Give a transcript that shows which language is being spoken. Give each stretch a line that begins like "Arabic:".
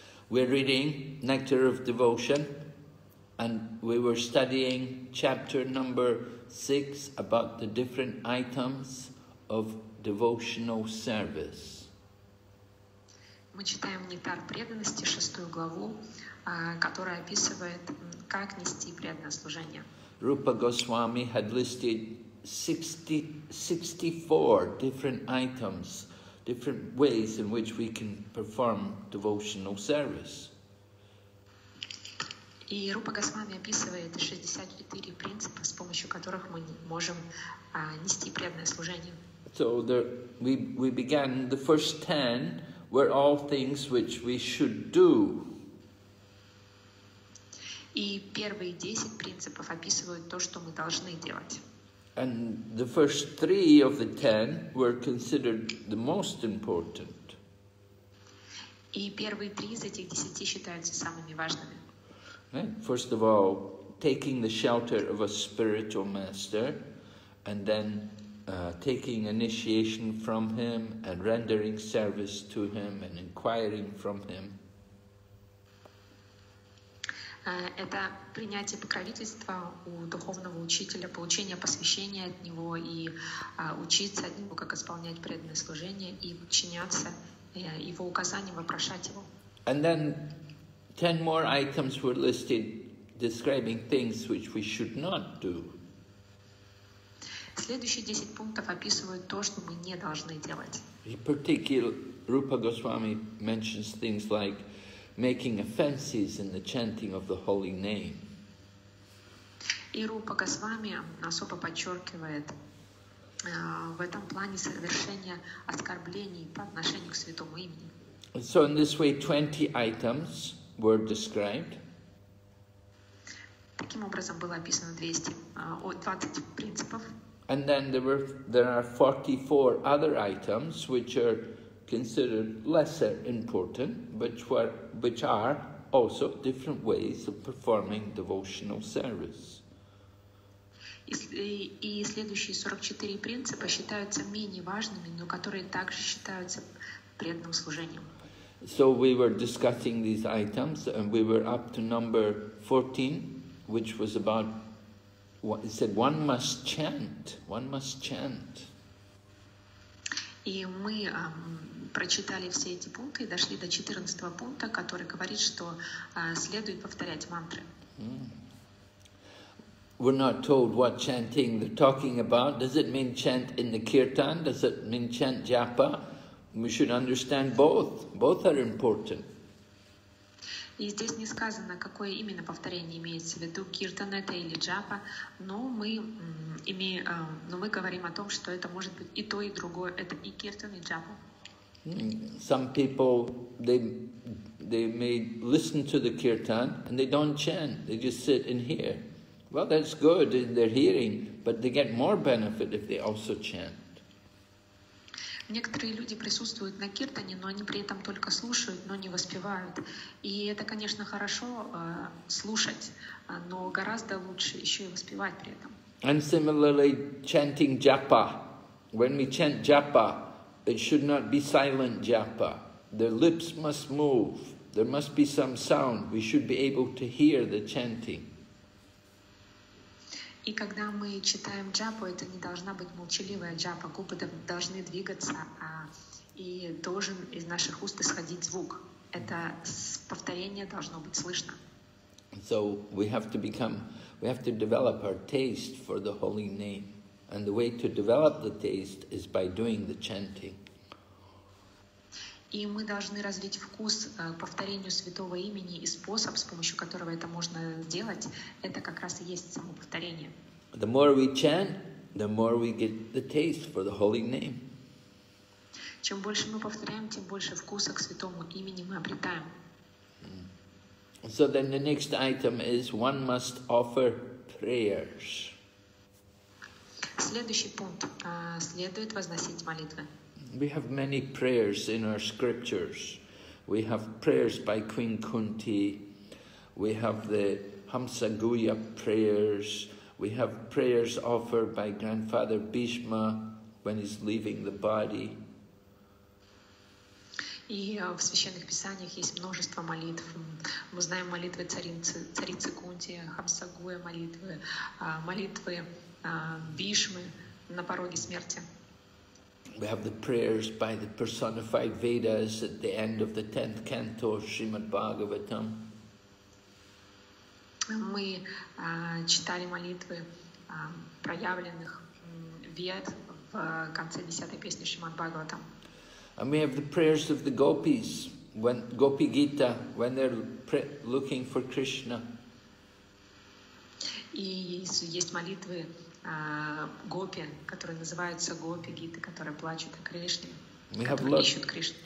English: We're reading Nectar of Devotion, and we were studying chapter number 6 about the different items of devotional service.
Russian: Мы читаем Нектар преданности, шестую главу, которая описывает, как нести преданное служение.
English: Rupa Goswami had listed 64 different items, different ways in which we can perform devotional service.
Russian: И Рупа Госвами описывает 64 принципа, с помощью которых мы можем нести преданное служение.
English: So we began the first 10 were all things which we should do.
Russian: И первые 10 принципов описывают то, что мы должны делать.
English: And the first 3 of the 10 were considered the most important.
Russian: И первые 3 из этих 10 считаются самыми важными.
English: Right? First of all, taking the shelter of a spiritual master, and then taking initiation from him and rendering service to him and inquiring from him.
Russian: Это принятие покровительства у духовного учителя, получение посвящения от него и учиться от него, как исполнять преданное служение и подчиняться его указаниям, вопрошать его.
English: And then 10 more items were listed describing things which we should not do.
Russian: Следующие 10 пунктов описывают то, что мы не должны делать.
English: In particular, Rupa Goswami mentions things like making offenses in the chanting of the holy name.
Russian: И Рупа Госвами особо подчеркивает в этом плане совершение оскорблений по отношению к святому имени.
English: So in this way 20 items were described.
Russian: Таким образом было описано 20 принципов.
English: And then there are 44 other items which are considered lesser important, which are also different ways of performing devotional service.
Russian: И следующие 44 принципа считаются менее важными, но которые также считаются преданным служением.
English: So we were discussing these items, and we were up to number 14, which was about what it said: one must chant. One must chant.
Russian: И мы прочитали все эти пункты и дошли до 14 пункта, который говорит, что следует повторять мантры.
English: We're not told what chanting they're talking about. Does it mean chant in the kirtan? Does it mean chant japa? We should understand both. Both are important. И здесь не сказано, какое именно повторение имеется в виду, киртан это или джапа, но мы говорим о том, что это может быть и то, и другое, это и киртан, и джапа. Some people, they may listen to the kirtan, and they don't chant, they just sit and hear. Well, that's good, they're hearing, but they get more benefit if they also chant.
Russian: Некоторые люди присутствуют на киртане, но они при этом только слушают, но не воспевают. И это, конечно, хорошо слушать, но гораздо лучше еще и воспевать при этом.
English: And similarly, chanting japa. When we chant japa, it should not be silent japa. The lips must move. There must be some sound. We should be able to hear the chanting.
Russian: И когда мы читаем джапу, это не должна быть молчаливая джапа. Губы должны двигаться, и должен из наших уст исходить звук. Это повторение должно быть слышно.
English: So we have to become, we have to develop our taste for the holy name. And the way to develop the taste is by doing the chanting.
Russian: И мы должны развить вкус к повторению святого имени, и способ, с помощью которого это можно сделать, это как раз и есть само повторение.
English: The more we chant, the more we get the taste for the holy name.
Russian: Чем больше мы повторяем, тем больше вкуса к святому имени мы обретаем.
English: So then the next item is one must offer prayers.
Russian: Следующий пункт. Следует возносить молитвы.
English: We have many prayers in our scriptures. We have prayers by Queen Kunti. We have the Hamsaguya prayers. We have prayers offered by Grandfather Bhishma when he's leaving the body.
Russian: И в священных писаниях есть множество молитв. Мы знаем молитвы царицы Кунти, Хамсагуя молитвы, молитвы Бишмы на пороге смерти.
English: We have the prayers by the personified Vedas at the end of the 10th canto of Srimad Bhagavatam.
Russian: Мы читали молитвы проявленных Вед в конце 10-й песни Шримад Бхагаватам.
English: And we have the prayers of the gopis, when Gopi Gita, when they're looking for Krishna.
Russian: И есть молитвы гопи, которые называются гопи гиты, которые плачут о Кришне, которые ищут Кришну.